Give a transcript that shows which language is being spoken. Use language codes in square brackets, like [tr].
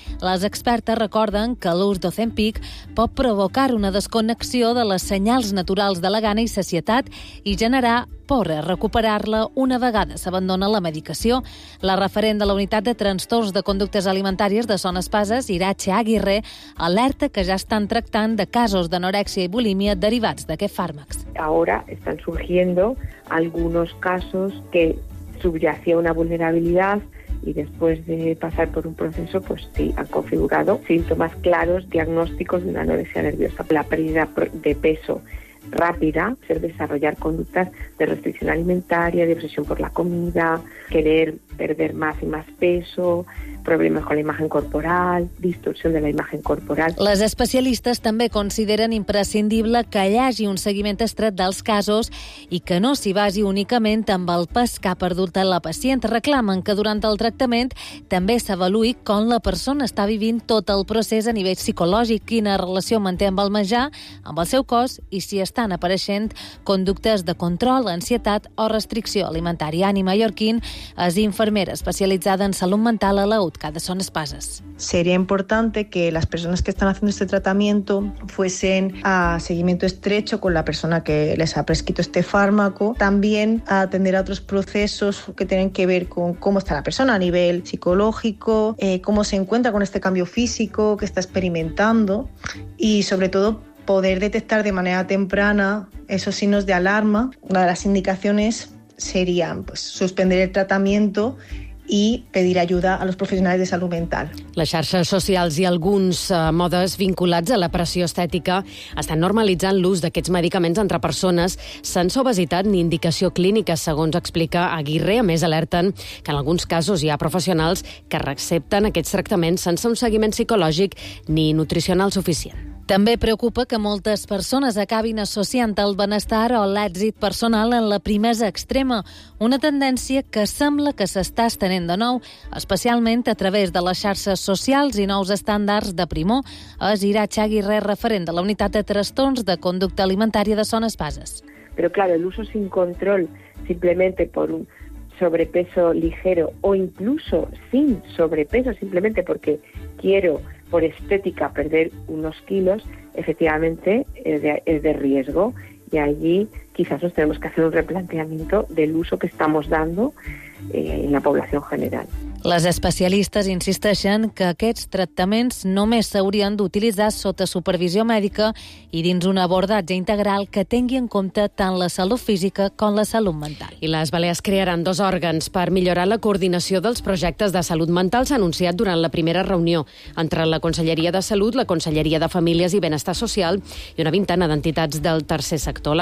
[ca] Les expertes recorden que l'ús d'Ozempic pot provocar una desconnexió de les senyals naturals de la gana i sacietat i generar por a recuperar-la una vegada s'abandona la medicació. La referent de la Unitat de Trastorns de Conductes Alimentàries de Son Espases, Iratxe Aguirre, alerta que ja estan tractant de casos d'anorèxia i bulímia derivats d'aquests fàrmacs. [es] Ahora están surgiendo algunos casos que subyace a una vulnerabilidad y después de pasar por un proceso, pues sí, han configurado síntomas claros, diagnósticos de una anorexia nerviosa. La pérdida de peso rápida, ser desarrollar conductas de restricción alimentaria, de obsesión por la comida, querer perder más y más peso, problemas con la imagen corporal, distorsión de la imagen corporal. [ca] Les especialistes també consideren imprescindible que hi hagi un seguiment estret dels casos i que no s'hi basi únicament amb el pes que ha perdut la pacient. Reclamen que durant el tractament també s'avaluï com la persona està vivint tot el procés a nivell psicològic, quina relació manté amb el menjar, amb el seu cos i si estan apareixent conductes de control, ansietat o restricció alimentària. Ani Mallorquín és infermera especialitzada en salut mental a la UTCA de Son Espases. [es] Sería importante que las personas que están haciendo este tratamiento fuesen a seguimiento estrecho con la persona que les ha prescrito este fármaco, también a atender a otros procesos que tienen que ver con cómo está la persona a nivel psicológico, cómo se encuentra con este cambio físico que está experimentando y sobre todo poder detectar de manera temprana esos signos de alarma. Una de las indicaciones serían pues, suspender el tratamiento y pedir ayuda a los profesionales de salud mental. [ca] Les xarxes socials i alguns modes vinculats a la pressió estètica estan normalitzant l'ús d'aquests medicaments entre persones sense obesitat ni indicació clínica, segons explica Aguirre. A més, alerten que en alguns casos hi ha professionals que recepten aquests tractaments sense un seguiment psicològic ni nutricional suficient. També preocupa que moltes persones acabin associant el benestar o l'èxit personal en la primesa extrema, una tendència que sembla que s'està estenent de nou, especialment a través de les xarxes socials i nous estàndards de primor. És Iratxe Aguirre, referent de la Unitat de Trastorns de Conducta Alimentària de Son Espases. Però, clar, [es] el uso sin control, simplemente por un sobrepeso ligero o incluso sin sobrepeso, simplemente porque quiero por estética perder unos kilos, efectivamente es de riesgo y allí quizás nos tenemos que hacer un replanteamiento del uso que estamos dando en la población general. [ca] Les especialistes insisteixen que aquests tractaments només s'haurien d'utilitzar sota supervisió mèdica i dins un abordatge integral que tingui en compte tant la salut física com la salut mental. I les Balears crearan dos òrgans per millorar la coordinació dels projectes de salut mental, s'ha anunciat durant la primera reunió entre la Conselleria de Salut, la Conselleria de Famílies i Benestar Social i una vintena d'entitats del tercer sector.